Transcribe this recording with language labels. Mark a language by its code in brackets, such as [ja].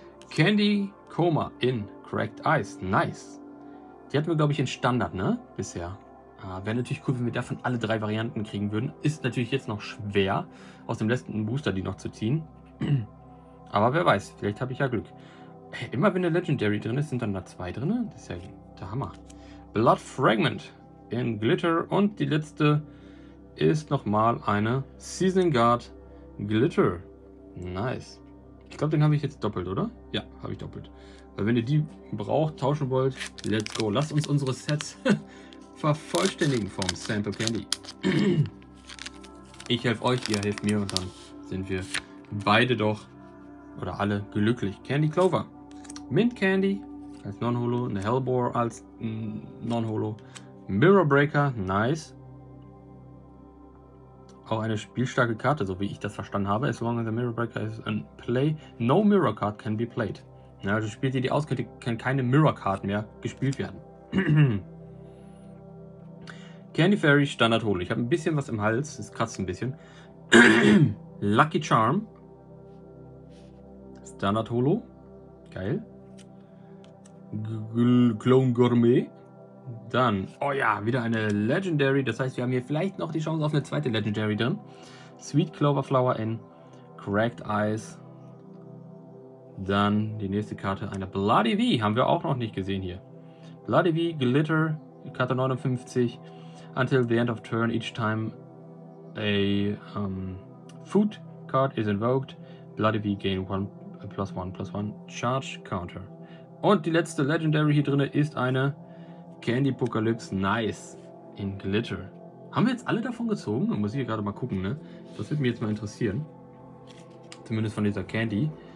[de] Candy Coma in Cracked Ice. Nice. Die hatten wir, glaube ich, in Standard, ne? Bisher. Wäre natürlich cool, wenn wir davon alle drei Varianten kriegen würden. Ist natürlich jetzt noch schwer, aus dem letzten Booster die noch zu ziehen. Aber wer weiß, vielleicht habe ich ja Glück. Hey, immer wenn eine Legendary drin ist, sind dann da zwei drin. Das ist ja der Hammer. Blood Fragment in Glitter. Und die letzte ist nochmal eine Seasoning Guard Glitter. Nice. Ich glaube, den habe ich jetzt doppelt, oder? Ja, habe ich doppelt. Weil wenn ihr die braucht, tauschen wollt, [en] let's go. [de] Lasst uns unsere Sets vervollständigen vom Sample Candy. Ich helfe euch, ihr helft mir und dann sind wir beide doch oder alle glücklich. Candy Clover. Mint Candy als Non-Holo. Eine Hellbore als Non-Holo. Mirror Breaker. Nice. Auch eine spielstarke Karte, so wie ich das verstanden habe. [en] As long as the Mirror Breaker is in play, no Mirror Card can be played. [de] Ja, also spielt ihr die aus, kann keine Mirror Card mehr gespielt werden. Candy Fairy Standard Holo. Ich habe ein bisschen was im Hals. Es kratzt ein bisschen. Lucky Charm. Standard Holo. Geil. Clone Gourmet. Dann, oh ja, wieder eine Legendary. Das heißt, wir haben hier vielleicht noch die Chance auf eine zweite Legendary drin. Sweet Clover Flower in Cracked Ice. Dann die nächste Karte, eine Bloody V. Haben wir auch noch nicht gesehen hier. Bloody V, Glitter, Karte 59. [en] Until the end of turn, each time a food card is invoked, Bloody V gain +1/+1 charge counter. [de] Und die letzte Legendary hier drin ist eine Candy Apocalypse, nice, in Glitter. Haben wir jetzt alle davon gezogen? Da muss ich gerade mal gucken, ne? Das würde mich jetzt mal interessieren. Zumindest von dieser Candy.